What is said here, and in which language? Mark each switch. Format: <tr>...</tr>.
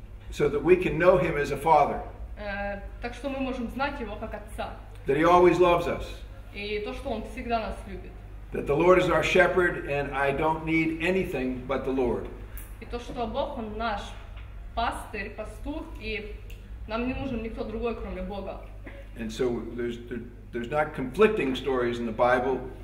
<en>So that we can know him as a father.</en> <ru>Так что мы можем знать его как отца.</ru> <en>That he always loves us.</en> <ru>И то, что он всегда нас любит.</ru> <en>That the Lord is our shepherd and I don't need anything but the Lord.</en> <ru>И то, что Бог, он наш пастырь, пастух, и нам не нужен никто другой, кроме Бога.</ru> <en>And so there's not conflicting stories in the Bible.</en>